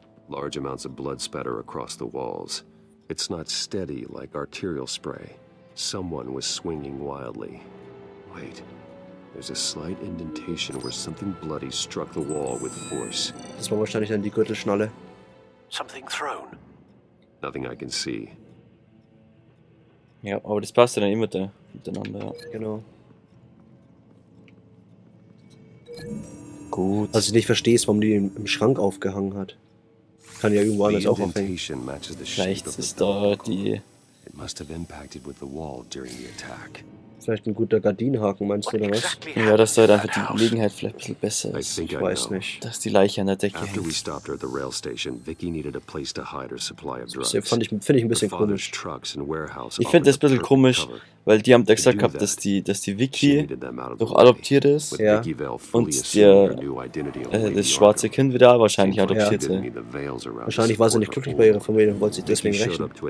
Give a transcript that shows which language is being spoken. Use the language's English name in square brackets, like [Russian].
[English] Large amounts of blood spatter across the walls. It's not steady like arterial spray. Someone was swinging wildly. Wait. There's a slight indentation where something bloody struck the wall with force. [German] Das war wahrscheinlich dann die Gürtelschnalle. [English] Something thrown. Nothing I can see. [German] Ja, aber das passt ja dann immer miteinander. Genau. Gut. Also ich nicht verstehe, warum die im Schrank aufgehangen hat. Kann ja irgendwo anders auch aufhängen. Vielleicht ist da die... [English] It must have impacted with the wall during the attack. [German] Vielleicht ein guter Gardinenhaken, meinst du, oder was? Ja, dass da einfach die Gelegenheit vielleicht ein bisschen besser ist. Ich weiß nicht. Dass die Leiche an der Decke hängt. [English] We stopped her at the rail station, Vicky needed a place to hide her supply of drugs. [German] Finde ich ein bisschen komisch. [English] Trucks and warehouse, [German] ich finde das ein bisschen komisch, weil die haben da gesagt gehabt, dass die Vicky doch adoptiert ist. Ja. Und das schwarze Kind wieder wahrscheinlich adoptiert ist. Ja. Wahrscheinlich war sie nicht glücklich bei ihrer Familie und wollte sich deswegen rächen.